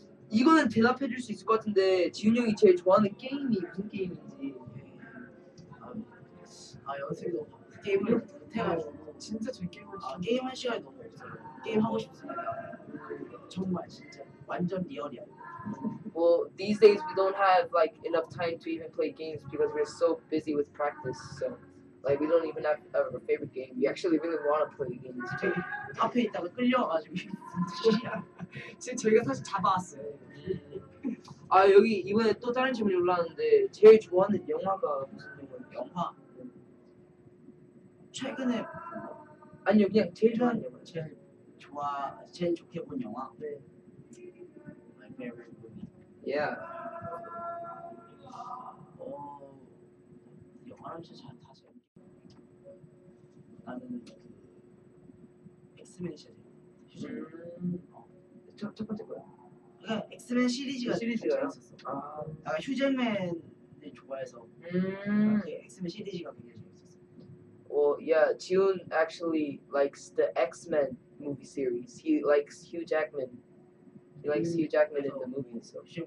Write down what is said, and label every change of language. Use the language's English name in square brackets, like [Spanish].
[Korean] 이거는 대답해줄 수 있을 것 같은데 지훈 형이 제일 좋아하는 게임이 무슨 게임인지. 아 연습이 너무 게임을 못해가지고 진짜 저희 게임을 아 게임 할 시간이 너무 없어요. 게임 하고 싶습니다. 정말 진짜 완전 리얼이야. [English] Well, these days we don't have like enough time to even play games because we're so busy with practice. So, like we don't even have a favorite game. We actually really want to play games. [Korean] 앞에 있다가 끌려가지고 지금 저희가 사실 잡아왔어요. 아 여기 이번에 또 다른 질문이 올라왔는데 제일 좋아하는 영화가 무슨 영화예요? 영화. 최근에 아니요 그냥 제일 좋아하는 영화 제일 좋아 제일 좋게 본 영화 네 [English] My favorite movie yeah [Korean] 어 영화를 진짜 잘 타서 나는 엑스맨 시리즈 첫 번째 거야 그러니까 엑스맨 시리즈가 시리즈가 있었어 아 내가 휴잭맨을 좋아해서 엑스맨 시리즈가 굉장히 [English] Well, yeah, Jiun actually likes the X-Men movie series. He likes Hugh Jackman. He likes Hugh Jackman in the movie. So.